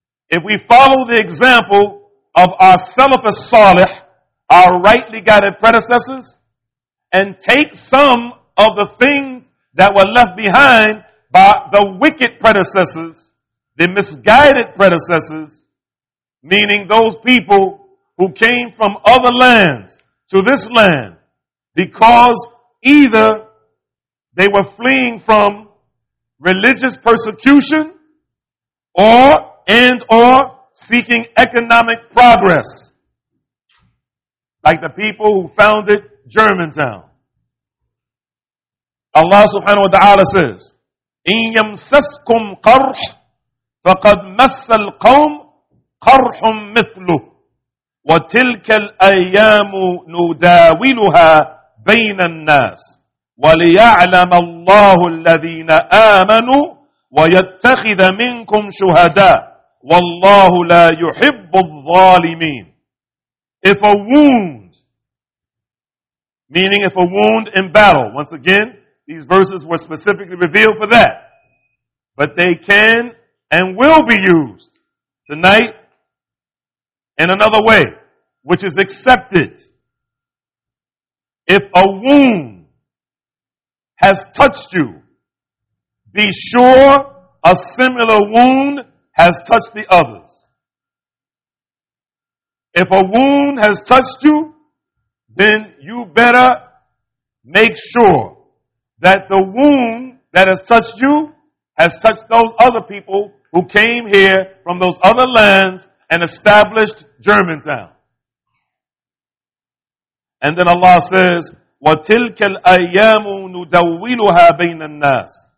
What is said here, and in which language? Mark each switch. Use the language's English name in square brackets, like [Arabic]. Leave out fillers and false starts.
[English] If we follow the example of our Salaf al-Salih, our rightly guided predecessors, and take some of the things that were left behind by the wicked predecessors, the misguided predecessors, meaning those people who came from other lands to this land because either they were fleeing from religious persecution or seeking economic progress, like the people who founded Germantown. Allah subhanahu wa ta'ala says, [Arabic] إِن يَمْسَسْكُمْ قَرْحٌ فَقَدْ مَسَّ الْقَوْمُ قَرْحٌ مِثْلُهُ وَتِلْكَ الْأَيَّامُ نُدَاوِلُهَا بَيْنَ النَّاسِ وَلِيَعْلَمَ اللَّهُ الَّذِينَ آمَنُوا وَيَتَّخِذَ مِنْكُمْ شُهَدَاءَ وَاللَّهُ لَا يُحِبُّ الظَّالِمِينَ. [English] If a wound, meaning if a wound in battle, once again, these verses were specifically revealed for that. But they can and will be used tonight in another way, which is accepted. If a wound has touched you, be sure a similar wound has touched the others. If a wound has touched you, then you better make sure that the wound that has touched you has touched those other people who came here from those other lands and established Germantown. And then Allah says, [Arabic] وَتِلْكَ الْأَيَّامُ نُدَوِّلُهَا بَيْنَ النَّاسِ.